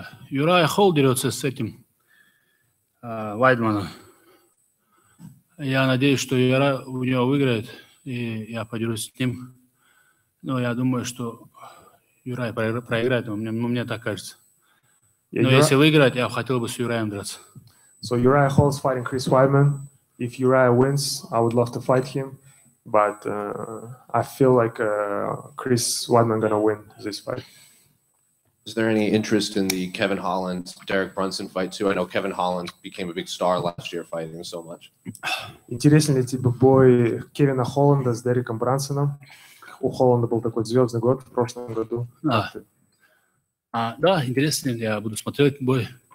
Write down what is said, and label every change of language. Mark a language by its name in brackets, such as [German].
[Russian] Юрай Холл дерется с этим Вайдманом. Я надеюсь, что Юрай у него выиграет, и я подерусь с ним. Но я думаю, что Юрай проиграет, мне так кажется. Но если выиграть, я хотел бы с Юраем драться. [English] So Uriah Hall is fighting Chris Weidman. If Uriah wins, I would love to fight him. But I feel like Chris Weidman is going to win this fight. Is there any interest in the Kevin Holland, Derek Brunson fight too? I know Kevin Holland became a big star last year fighting so much. [Russian] Интересен ли тебе бой Кевина Холланда с Дереком Брансоном? У Холланда был такой звездный год в прошлом году. Да, интересно, я буду смотреть бой.